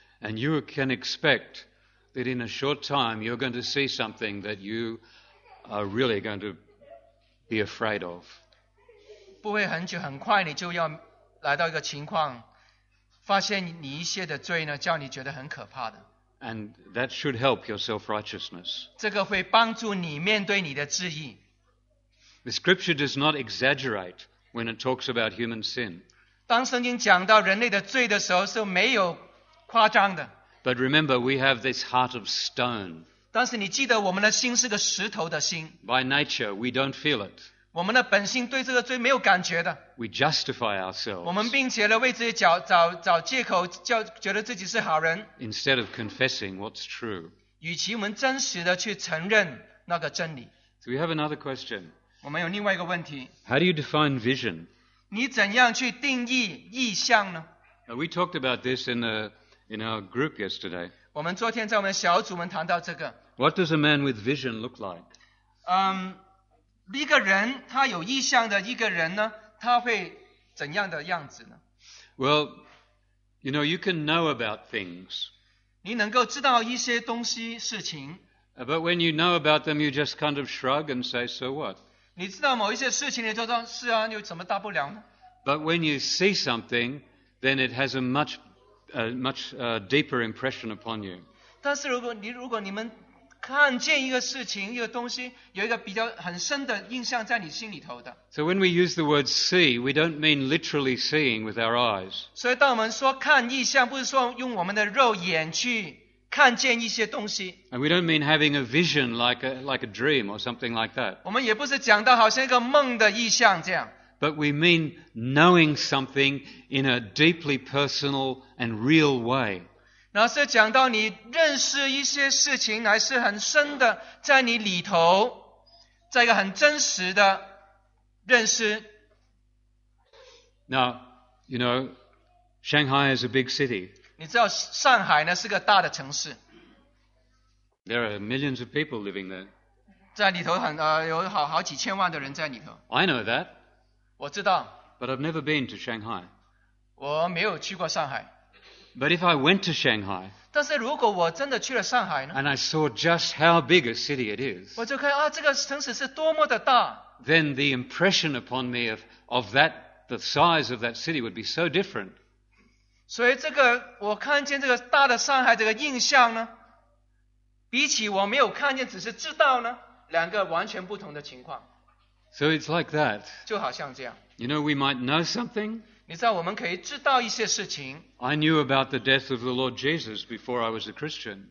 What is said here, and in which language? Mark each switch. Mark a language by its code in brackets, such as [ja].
[en] And you can expect that in a short time you're going to see something that you are really going to be afraid of. [zh] 不会很久，很快你就要来到一个情况，发现你一些的罪呢，叫你觉得很可怕的。 [en] And that should help your self-righteousness. [zh] 这个会帮助你面对你的质疑。 [en] The Scripture does not exaggerate when it talks about human sin. [zh] 当圣经讲到人类的罪的时候，是没有夸张的。 [en] But remember, we have this heart of stone. [zh] 但是你记得我们的心是个石头的心。 [en] By nature, we don't feel it. [zh] 我们的本性对这个罪没有感觉的。 [en] We justify ourselves. [zh] 我们并且呢为自己找借口，觉得自己是好人。 [en] Instead of confessing what's true. [zh] 与其我们真实的去承认那个真理。 [en] So we have another question. [zh] 我们有另外一个问题。 [en] How do you define vision? [zh] 你怎样去定义异象呢？ [en] Now, we talked about this in our group yesterday. [zh] 我们昨天在我们小组们谈到这个。 [en] What does a man with vision look like? [zh] 一个人他有异象的一个人呢，他会怎样的样子呢？ [en] Well, you know, you can know about things. [zh] 你能够知道一些东西事情。 [en] But when you know about them, you just kind of shrug and say, so what? [zh] 你知道某一些事情，你就说是啊，有什么大不了呢？ [en] But when you see something, then it has a much deeper impression upon you. [zh] 但是如果你们看见一个事情，一个东西，有一个比较很深的印象在你心里头的。 [en] So when we use the word see, we don't mean literally seeing with our eyes. [zh] 所以当我们说看异象，不是说用我们的肉眼去看见一些东西。 [en] And we don't mean having a vision like a dream or something like that. [zh] 我们也不是讲到好像一个梦的异象这样。 [en] But we mean knowing something in a deeply personal and real way. [zh] 那是讲到你认识一些事情还是很深的在你里头，在一个很真实的认识。 [en] Now, you know, Shanghai is a big city. [zh] 你知道上海呢是个大的城市。 [en] There are millions of people living there. [zh] 在里头有好几千万的人在里头。 [en] I know that. [zh] 我知道。 [en] But I've never been to Shanghai. [zh] 我没有去过上海。 [en] But if I went to Shanghai, [zh] 但是如果我真的去了上海呢? [en] And I saw just how big a city it is, [zh] 我就看,这个城市是多么的大。 [en] Then the impression upon me of that, the size of that city would be so different. [zh] 所以这个,我看见这个大的上海这个印象呢,比起我没有看见只是知道呢,两个完全不同的情况。 [en] So it's like that. [zh] 就好像这样。 [en] You know, we might know something. [zh] 你知道我们可以知道一些事情。 [en] I knew about the death of the Lord Jesus before I was a Christian.